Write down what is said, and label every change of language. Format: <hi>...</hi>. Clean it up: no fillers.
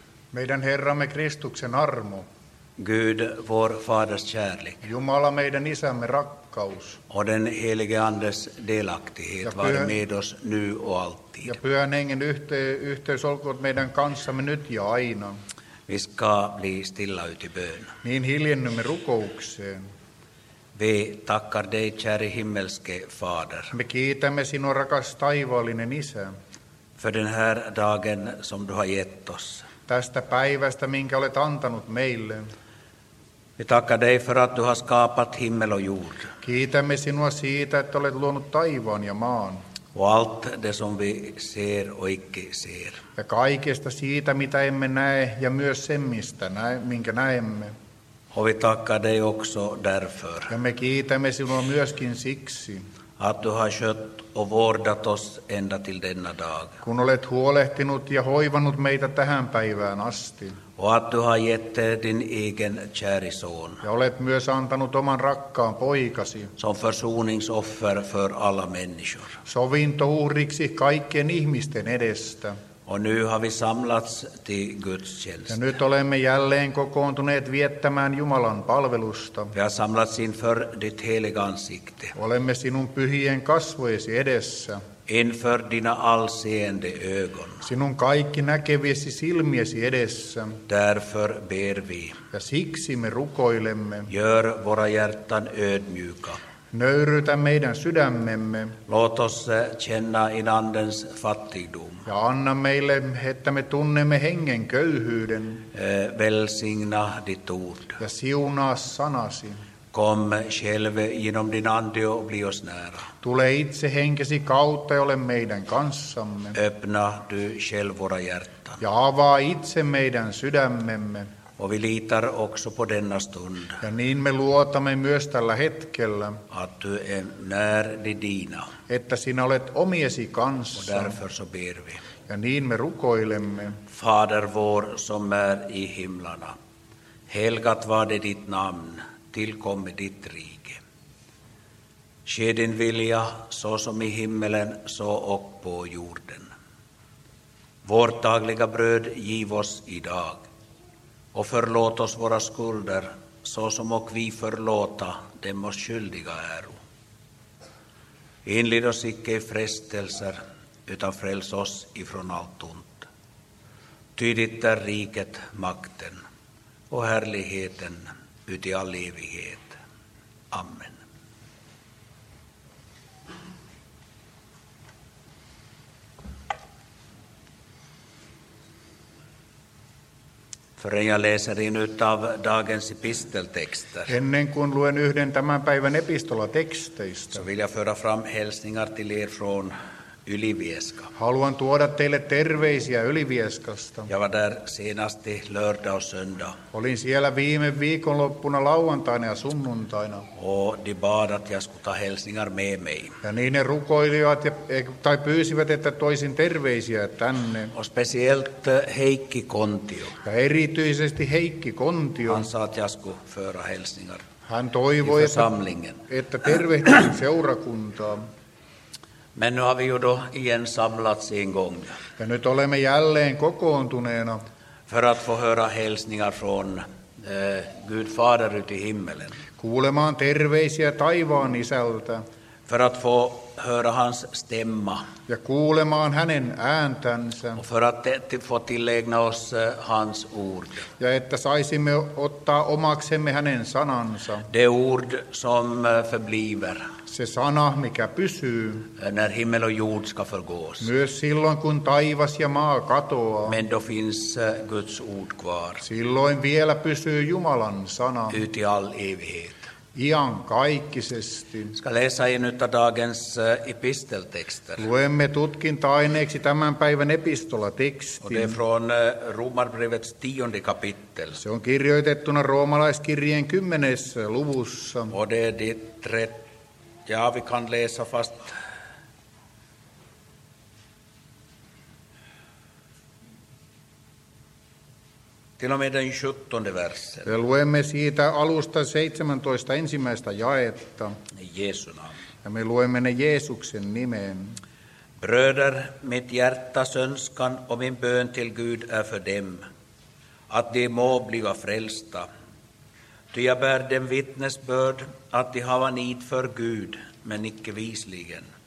<fi>Meidän Herra med Kristuksen armo.</fi> <sv>Gud, vår faders kärlek.</sv> <fi>Jumala, meidän isämme rakkaus.</fi> <sv>Och den helige andes delaktighet var med oss nu och alltid.</sv> <fi>Ja pyhän hengen yhteys olkoon meidän kanssamme nyt ja aina.</fi> <sv>Vi ska bli stilla ut i bön.</sv> <fi>Niin hiljennymme rukoukseen.</fi> <sv>Vi tackar dig, käre himmelske fader.</sv> <fi>Me kiitämme sinua, rakas taivaallinen isä.</fi> <sv>För den här dagen som du har gett oss.</sv> <fi>Tästä päivästä, minkä olet antanut meille.</fi> <sv>Vi tackar dig för att du har skapat himmel och jord.</sv> <fi>Kiitämme sinua siitä, että olet luonut taivaan ja maan.</fi> <sv>Och allt det som vi ser och icke ser.</sv> <fi>Ja kaikesta siitä, mitä emme näe, ja myös sen, mistä näe, minkä näemme.</fi> <sv>Och vi tackar dig också därför.</sv> <fi>Ja me kiitämme sinua myöskin siksi.</fi> <sv>Att du har skött och vårdat oss ända till denna dag.</sv> <fi>Kun olet huolehtinut ja hoivannut meitä tähän päivään asti.</fi> <sv>Och att du har gett din egen käre son.</sv> <fi>Ja olet myös antanut oman rakkaan poikasi.</fi> <sv>Som försoningsoffer för alla människor.</sv> <fi>Sovintouhriksi kaikkien ihmisten edestä.</fi> <sv>Och nu har vi samlats till gudstjänst.</sv> <fi>Ja nyt olemme jälleen kokoontuneet viettämään Jumalan palvelusta.</fi> <sv>Vi har samlats inför ditt heliga ansikte.</sv> <fi>Olemme sinun pyhien kasvojesi edessä.</fi> <sv>Inför dina allseende ögon.</sv> <fi>Sinun kaikki näkeviesi silmiesi edessä.</fi> <sv>Därför ber vi.</sv> <fi>Ja siksi me rukoilemme.</fi> <sv>Gör våra hjärtan ödmjuka.</sv> <fi>Nöyrytä meidän sydämemme.</fi> <sv>Låt oss känna in andens fattigdom.</sv> <fi>Ja anna meille, että me tunnemme hengen köyhyyden.</fi> <sv>Välsigna ditt ord.</sv> <fi>Ja siunaa sanasi.</fi> <sv>Kom själv genom din ande och bli oss nära.</sv> <fi>Tule itse henkesi kautta ja ole meidän kanssamme.</fi> <sv>Öppna du själv våra hjärtan.</sv> <fi>Ja avaa itse meidän sydämemme.</fi> <sv>Och vi litar också på denna stund.</sv> <fi>Ja niin me luotamme myös tällä hetkellä.</fi> <sv>Att du är när de dina.</sv> <fi>Että sinä olet omiesi kanssa.</fi> <sv>Och därför så ber vi.</sv> <fi>Ja niin me rukoilemme.</fi> <sv>Fader vår som är i himlarna. Helgat var det ditt namn. Tillkomme ditt rike. Ske din vilja så som i himmelen så och på jorden. Vårt dagliga bröd giv oss idag. Och förlåt oss våra skulder, så som och vi förlåta dem oss skyldiga äro. Inled oss icke i frestelser, utan fräls oss ifrån allt ont. Ty ditt är riket, makten och härligheten ut i all evighet. Amen. Förrän jag läser in utav dagens episteltexter.</sv> <fi>Ennen kuin luen yhden tämän päivän epistolateksteistä.</fi> <sv>Så vill jag föra fram hälsningar till er från Ylivieska.</sv> <fi>Haluan tuoda teille terveisiä Ylivieskasta.</fi> <sv>Jag var där senast i lördag och söndag.</sv> <fi>Olin siellä viime viikonloppuna lauantaina ja sunnuntaina.</fi> <sv>Och de bad att jag skulle ta hälsningar med mig.</sv> <fi>Ja niin ne rukoilivat tai pyysivät, että toisin terveisiä tänne.</fi> <sv>Och speciellt Heikki Kontio.</sv> <fi>Ja erityisesti Heikki Kontio.</fi> <sv>Han sa att jag skulle föra hälsningar.</sv> <fi>Hän toivoi, että tervehtisin seurakuntaa.</fi> <sv>Men nu har vi ju då igen samlats en gång.</sv> <fi>Ja nyt olemme jälleen kokoontuneena.</fi> <sv>För att få höra hälsningar från Gud Fader ut i himmelen.</sv> <fi>Kuulemaan terveisiä taivaan isältä.</fi> <sv>För att få höra hans stämma.</sv> <fi>Ja kuulemaan hänen ääntänsä.</fi> <sv>Och för att få tillägna oss hans ord.</sv> <fi>Ja että saisimme ottaa omaksemme hänen sanansa.</fi> <sv>De ord som förbliver.</sv> <fi>Se sana, mikä pysyy.</fi> <sv>När himmel och jord ska förgås.</sv> <fi>Myös silloin, kun taivas ja maa katoaa.</fi> <sv>Men då finns Guds ord kvar.</sv> <fi>Silloin vielä pysyy Jumalan sana.</fi> <sv>Ut i all evighet.</sv> <fi>Iankaikkisesti.</fi> <sv>Ska läsa i nyt dagens episteltexter.</sv> <fi>Luemme tutkinta-aineeksi tämän päivän epistolatekstin.</fi> <sv>Och det är från Romarbrevets tionde kapitel.</sv> <fi>Se on kirjoitettuna roomalaiskirjeen 10. luvussa.</fi> <sv>Och det är det 13. Ja, vi kan läsa fast. Till och med den 17 versen.</sv> <fi>Me luemme siitä alusta 17 ensimmäistä jaetta.</fi> <sv>Jeesu namn.</sv> <fi>Ja me luemme ne Jeesuksen nimeen.</fi> <sv>Bröder, mitt hjärtas önskan och min bön till Gud är för dem, att de må bli frälsta. Ty jag bär dem vittnesbörd att de hava nit för Gud, men icke visligen.</sv>